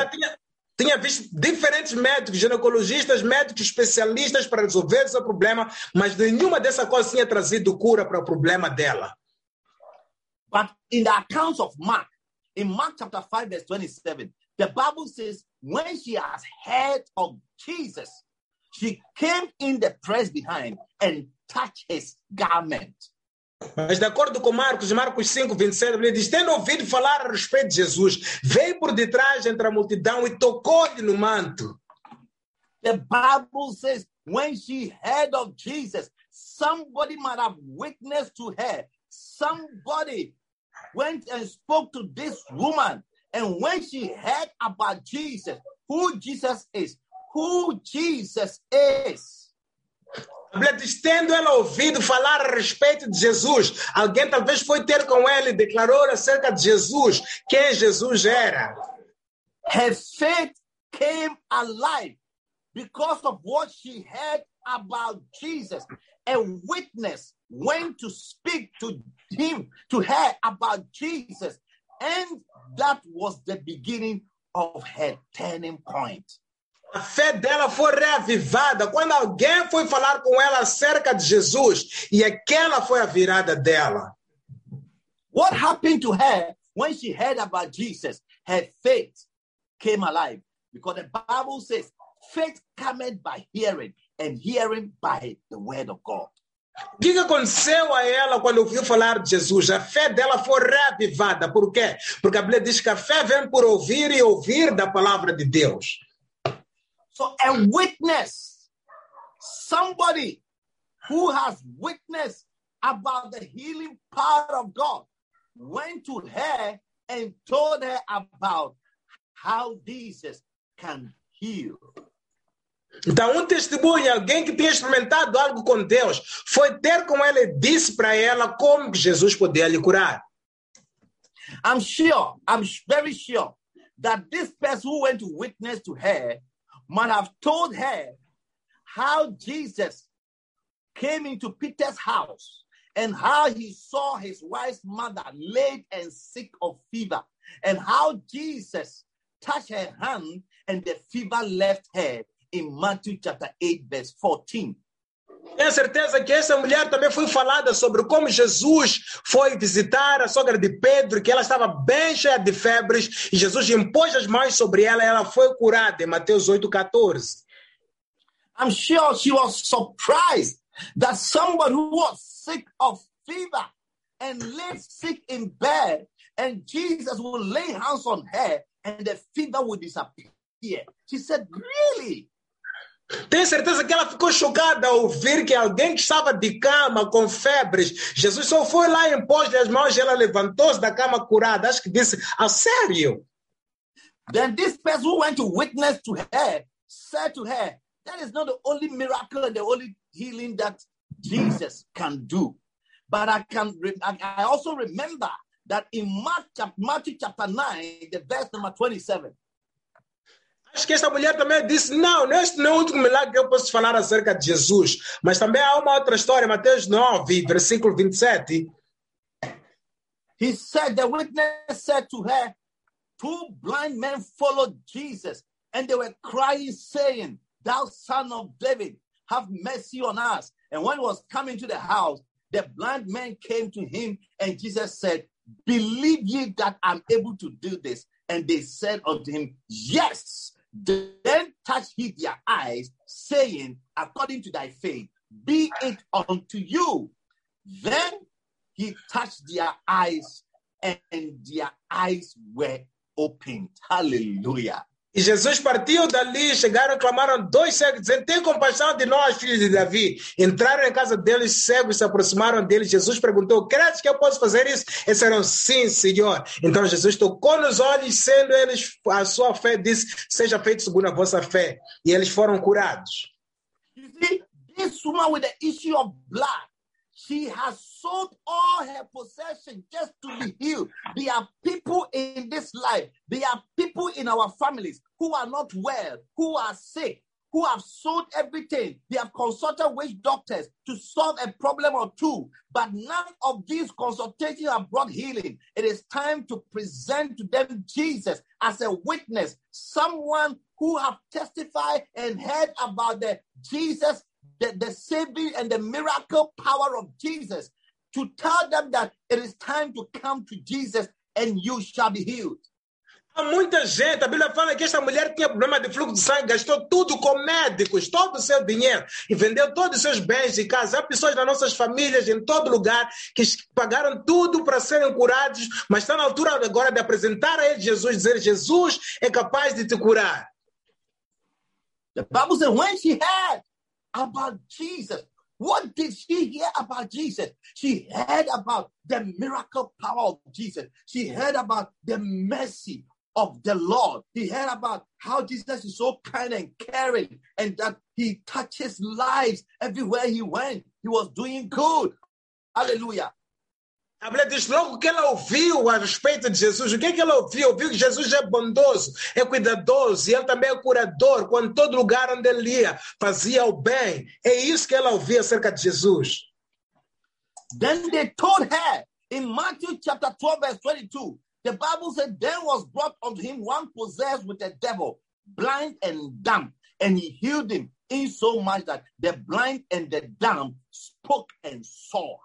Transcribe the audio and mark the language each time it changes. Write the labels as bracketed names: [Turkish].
[Portuguese] Ela tinha visto diferentes médicos, ginecologistas, médicos especialistas para resolver seu problema, mas nenhuma dessa coisa tinha trazido cura para o problema dela. [English] But in the accounts of Mark, in Mark chapter 5, verse 27, the Bible says, when she has heard of Jesus, she came in the press behind and touched his garment. [Portuguese] Mas de acordo com Marcos 5:27, ele diz, tendo ouvido falar a respeito de Jesus, veio por detrás entre a multidão e tocou-lhe no manto. [English] The Bible says, when she heard of Jesus, somebody might have witnessed to her. Somebody went and spoke to this woman. And when she heard about Jesus, who Jesus is, who Jesus is. [Portuguese] A Bíblia diz, tendo ela ouvido falar a respeito de Jesus, alguém talvez foi ter com ela e declarou acerca de Jesus, quem Jesus era. [English] Her faith came alive because of what she heard about Jesus. A witness went to speak to him, to her, about Jesus. And that was the beginning of her turning point. [Portuguese] A fé dela foi reavivada quando alguém foi falar com ela acerca de Jesus, e aquela foi a virada dela. [English] What happened to her when she heard about Jesus? Her faith came alive, because the Bible says, faith cometh by hearing, and hearing by the word of God. [Portuguese] O que aconteceu a ela quando ouviu falar de Jesus? A fé dela foi reavivada. Por quê? Porque a Bíblia diz que a fé vem por ouvir e ouvir da palavra de Deus. [English] So a witness, somebody who has witnessed about the healing power of God, went to her and told her about how Jesus can heal. [Portuguese] Então, testemunho, alguém que tinha experimentado algo com Deus, foi ter com ela e disse para ela como que Jesus podia lhe curar. [English] I'm very sure that this person who went to witness to her might have told her how Jesus came into Peter's house and how he saw his wife's mother laid and sick of fever, and how Jesus touched her hand and the fever left her in Matthew chapter 8, verse 14. [Portuguese] Tenho certeza que essa mulher também foi falada sobre como Jesus foi visitar a sogra de Pedro, que ela estava bem cheia de febres, e Jesus impôs as mãos sobre ela e ela foi curada, em Mateus 8:14. [English] I'm sure she was surprised that someone who was sick of fever and lay sick in bed, and Jesus would lay hands on her and the fever would disappear. She said, really? [Portuguese] Tenho certeza que ela ficou chocada ao ouvir que alguém que estava de cama com febres, Jesus só foi lá e impôs as mãos e ela levantou-se da cama curada. Acho que disse, a sério? [English] Then this person who went to witness to her said to her, that is not the only miracle and the only healing that Jesus can do. But I also remember that in Matthew chapter 9, the verse number 27, [Portuguese] acho que essa mulher também disse, não, este não é o único milagre que eu posso falar acerca de Jesus. Mas também há uma outra história, Mateus 9, versículo 27. [English] He said, the witness said to her, two blind men followed Jesus, and they were crying, saying, thou son of David, have mercy on us. And when he was coming to the house, the blind man came to him, and Jesus said, believe ye that I'm able to do this? And they said unto him, yes. Then touched he their eyes, saying, according to thy faith, be it unto you. Then he touched their eyes, and their eyes were opened. Hallelujah. [Portuguese] E Jesus partiu dali, chegaram e clamaram dois cegos, dizendo, tem compaixão de nós, filhos de Davi. Entraram em casa deles, cegos se aproximaram deles. Jesus perguntou, crees que eu posso fazer isso? Eles disseram, sim, Senhor. Então Jesus tocou nos olhos, sendo eles a sua fé, disse, seja feito segundo a vossa fé. E eles foram curados. [English] You see, this woman with the issue of blood, she has sold all her possessions just to be healed. There are people in this life. There are people in our families who are not well, who are sick, who have sold everything. They have consulted witch doctors to solve a problem or two. But none of these consultations have brought healing. It is time to present to them Jesus as a witness, someone who have testified and heard about the Jesus, the saving and the miracle power of Jesus, to tell them that it is time to come to Jesus and you shall be healed. [Portuguese] Há muita gente, a Bíblia fala que esta mulher tinha problema de fluxo de sangue, gastou tudo com médicos, todo o seu dinheiro, e vendeu todos os seus bens de casa. Há pessoas nas nossas famílias, em todo lugar, que pagaram tudo para serem curados, mas está na altura agora de apresentar a ele Jesus, dizer, Jesus é capaz de te curar. [English] The Bible says, when she had about Jesus. What did she hear about Jesus? She heard about the miracle power of Jesus. She heard about the mercy of the Lord. She heard about how Jesus is so kind and caring, and that he touches lives everywhere he went. He was doing good. Hallelujah. [Portuguese] A mulher diz, logo que ela ouviu a respeito de Jesus, o que, é que ela ouviu? Ouviu que Jesus é bondoso, é cuidadoso, e ele também é curador, quando todo lugar onde ele ia, fazia o bem. É isso que ela ouviu acerca de Jesus. [English] Then they told her, in Matthew chapter 12, verse 22, the Bible said, there was brought unto him one possessed with the devil, blind and dumb, and he healed him, in so much that the blind and the dumb spoke and saw.